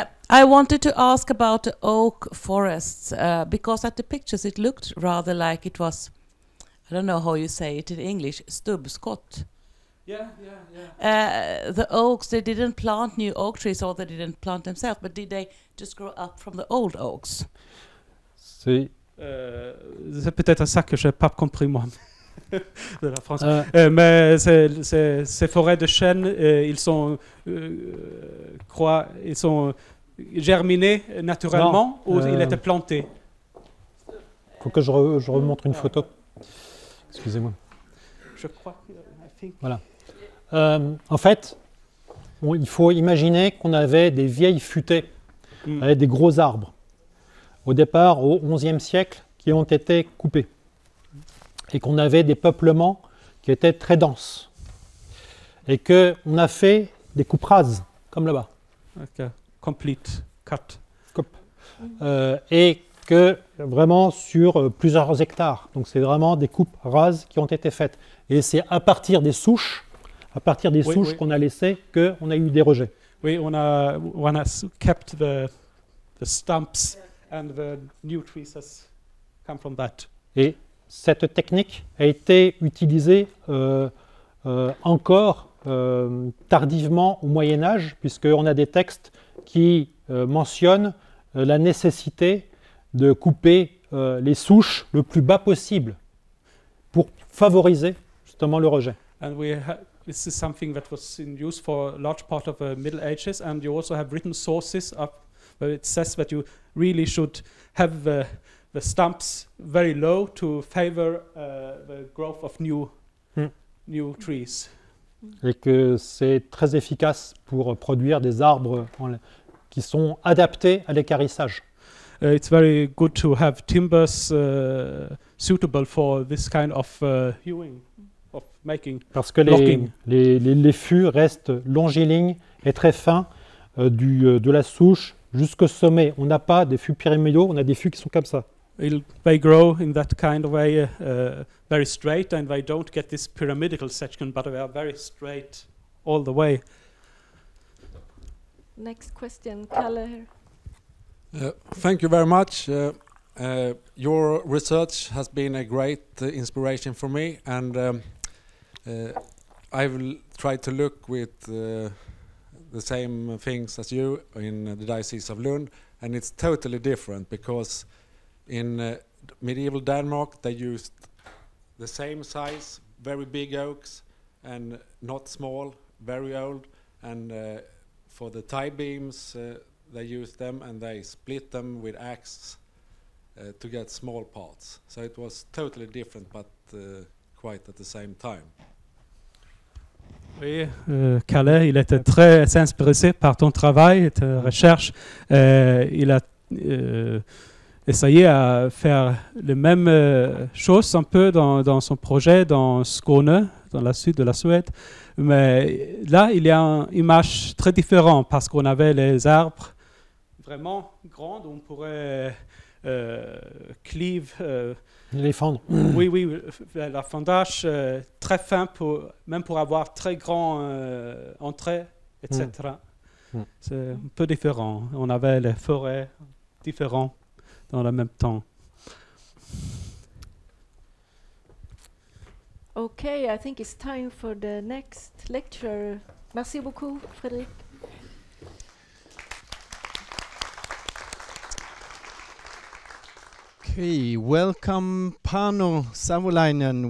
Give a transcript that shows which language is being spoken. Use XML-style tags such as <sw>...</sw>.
<en>I wanted to ask about the oak forests, because at the pictures it looked rather like it was, I don't know how you say it in English, stubbskott. Yeah. The oaks, they didn't plant new oak trees, or they didn't plant themselves, but did they just grow up from the old oaks?</en> <fr>Si. C'est peut-être ça que je n'ai pas compris moi, de la France. Mais ces forêts de chênes, ils sont germinés naturellement non, ou ils étaient plantés? Il faut que je remontre une photo. Excusez-moi. Je crois. Voilà. En fait, il faut imaginer qu'on avait des vieilles futaies avec des gros arbres. Au départ, au 11e siècle, qui ont été coupés et qu'on avait des peuplements qui étaient très denses et que on a fait des coupes rases comme là-bas.</fr> <en>Okay. Complete cut.</en> <fr>Coupe. Et que vraiment sur plusieurs hectares. Donc c'est vraiment des coupes rases qui ont été faites. Et c'est à partir des souches, qu'on a laissé que on a eu des rejets. Oui, on a</fr> <en>kept the stumps and the new trees has come from that.</en> <fr>Et cette technique a été utilisée encore tardivement au Moyen Âge, puisque on a des textes qui mentionnent la nécessité de couper les souches le plus bas possible pour favoriser justement le rejet.</fr> <en>And this is something that was in use for a large part of the Middle Ages, and you also have written sources up where it says that you really should have the stumps very low to favor the growth of new trees.</en> <fr>Et que c'est très efficace pour produire des arbres qui sont adaptés à l'écarissage.</fr> <en>It's very good to have timbers suitable for this kind of hewing, of making.</en> <fr>Parce que les fûts restent longilignes et très fins de la souche jusqu'au sommet. On n'a pas des fûts pyramidaux, on a des fûts qui sont comme ça.</fr> <en>they grow in that kind of way, very straight, and they don't get this pyramidal section, but they are very straight all the way. Next question, Kalle here. Thank you very much. Your research has been a great inspiration for me, and I've tried to look with the same things as you in the Diocese of Lund, and it's totally different because in medieval Denmark they used the same size, very big oaks, and not small, very old, and for the tie beams they used them, and they split them with axe to get small parts. So it was totally different, but quite at the same time.</en> <fr>Oui, Kalle, il était très inspiré par ton travail, ta recherche. Il a essayé à faire les mêmes choses un peu dans son projet dans Skåne, dans le sud de la Suède. Mais là, il y a une image très différente parce qu'on avait les arbres vraiment grandes. On pourrait cleave. Les fendre. Oui, oui, la fendage très fin, pour, même pour avoir très grand entrée, etc. C'est un peu différent. On avait les forêts différentes dans le même temps.</fr> <en>Ok, I think it's time for the next lecture.</en> <fr>Merci beaucoup, Frédéric.</fr> <en>Hey, welcome Pano Savolainen.</en>